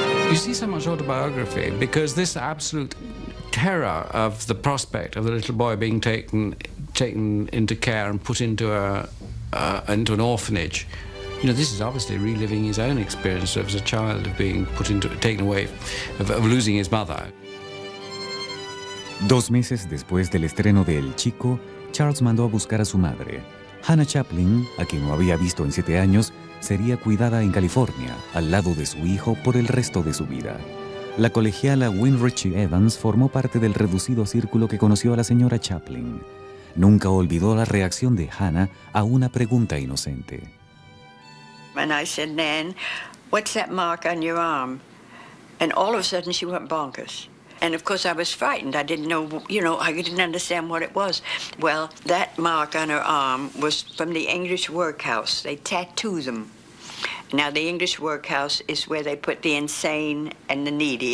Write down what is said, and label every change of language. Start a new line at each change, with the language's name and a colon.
English: You see so much autobiography because this absolute terror of the prospect of the little boy being taken into care and put into an orphanage. You know, this is obviously reliving his own experience as a child of being put into, taken away, of losing his mother.
Spanish: 2 meses después del estreno de El Chico, Charles mandó a buscar a su madre. Hannah Chaplin, a quien no había visto en 7 años, sería cuidada en California, al lado de su hijo, por el resto de su vida. La colegiala Winrich Evans formó parte del reducido círculo que conoció a la señora Chaplin. Nunca olvidó la reacción de Hannah a una pregunta inocente.
English: And I said, "Nan, what's that mark on your arm?" And all of a sudden she went bonkers. And of course I was frightened. I didn't know, you know, I didn't understand what it was. Well, that mark on her arm was from the English workhouse. They tattoo them. Now the English workhouse is where they put the insane and the needy.